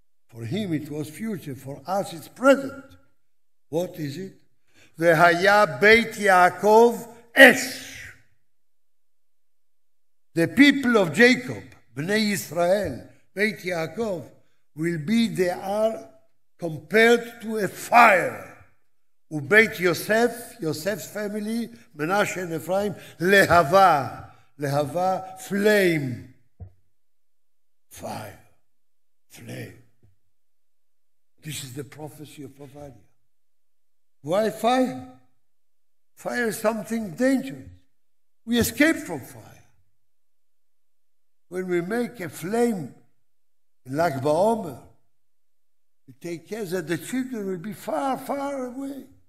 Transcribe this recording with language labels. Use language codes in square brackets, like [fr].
[en] For him it was future, for us it's present. What is it? [he] V'haya Beit Yaakov Esh. [en] The people of Jacob, Bnei Israel, Beit Yaakov, will be, they are compared to a fire. [he] ובית יוסף, יוסף's family, מנשה and Ephraim, להבה, להבה, flame. [en] Fire, flame. This is the prophecy of Avadia. Why fire? Fire is something dangerous. We escape from fire. When we make a flame in Lag Baomer, we take care that the children will be far, far away.